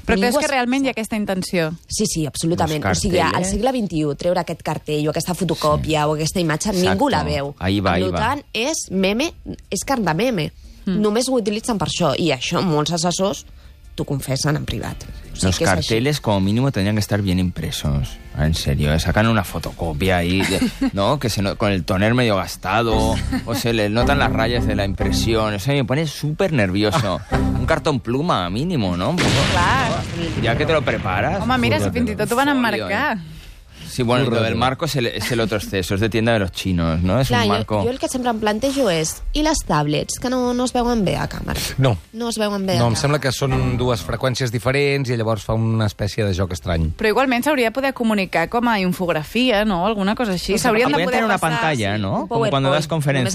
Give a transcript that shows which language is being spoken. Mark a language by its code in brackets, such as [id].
[ca] Però creus que realment hi ha aquesta intenció? Sí, absolutament. O sigui, al segle XXI, treure aquest cartell o aquesta fotocòpia o aquesta imatge, ningú la veu. [es] Ahí va. [ca] És meme, és carn de meme. Només ho utilitzen per això. I això molts assessors t'ho confessen en privat. [es] Los carteles, como mínimo, tendrían que estar bien impresos. En serio, sacan una fotocopia ahí, ¿no? Que se con el toner medio gastado, o se le notan las rayas de la impresión. O sea, me pone súper nervioso. Un cartón pluma, mínimo, ¿no? Un poco, claro. ¿No? Ya que te lo preparas... [ca] Home, mira, [es] si fin, te van a enmarcar. Sí, bueno, lo del marco es el otro exceso, es de tienda de los chinos, ¿no? Es un marco... [ca] Jo el que sempre em plantejo és, i les tablets, que no es veuen bé a càmera? No. No es veuen bé a càmera. No, em sembla que són dues freqüències diferents i llavors fa una espècie de joc estrany. Però igualment s'hauria de poder comunicar com a infografia, no? Alguna cosa així. No, s'haurien de poder passar... una pantalla, no? Com quan dones conferències.